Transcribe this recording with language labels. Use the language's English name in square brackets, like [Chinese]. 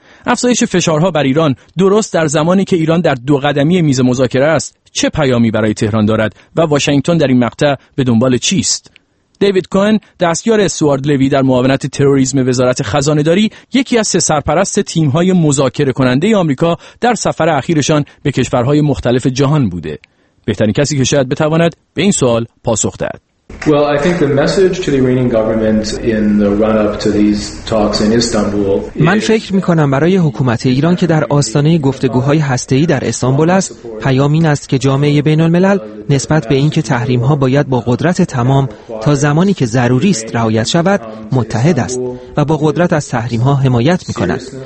[Persian] افزایش فشارها بر ایران درست در زمانی که ایران در دو قدمی میز مذاکره است، چه پیامی برای تهران دارد و واشنگتن در این مقطع به دنبال چیست؟ دیوید کوهن، دستیار استوارد لوی در معاونت تروریسم وزارت خزانه‌داری، یکی از 3 سرپرست تیم‌های مذاکره کننده آمریکا در سفر اخیرشان به کشورهای مختلف جهان بوده. بهترین کسی که شاید بتواند به این سوال پاسخ دهد. [English] Well, I think the message to the Iranian government in the run-up to these talks in Istanbul. [Persian] من فکر می‌کنم برای حکومت ایران که در آستانه گفتگوهای هسته‌ای در استانبول است، پیام این است که جامعه بین‌الملل نسبت به اینکه تحریم‌ها باید با قدرت تمام تا زمانی که ضروری است رعایت شود، متحد است و با قدرت از تحریم‌ها حمایت می‌کند.